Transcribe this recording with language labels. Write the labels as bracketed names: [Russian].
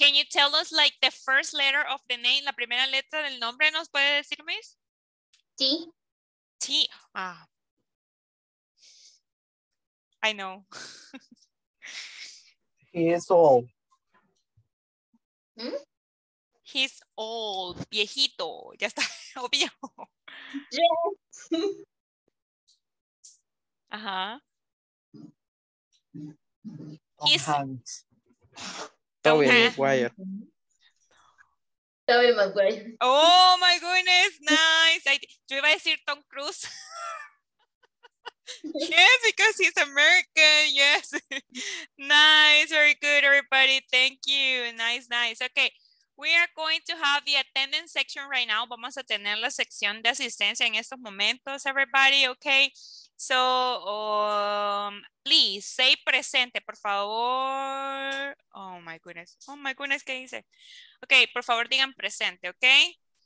[English] Can you tell us like the first letter of the name? [Spanish] La primera letra del nombre, ¿nos puede decir, Miss? [English] T. T. Ah. I know. He is old. He's old. [Spanish] Viejito. Ya está. Obvio. [English] Yes. Uh-huh. He's. Hands. Toby McGuire. Toby McGuire. Oh my goodness, nice. [Spanish] Yo iba a decir Tom Cruise. [English] Yes, because he's American. Yes. Nice, very good, everybody. Thank you. Nice, nice. Okay. We have the attendance section right now. [Spanish] Vamos a tener la sección de asistencia en estos momentos, [English] everybody, okay? So, please, say presente, [Spanish] por favor. [English] Oh my goodness, [Spanish] ¿qué dice? Okay, por favor, digan presente, okay?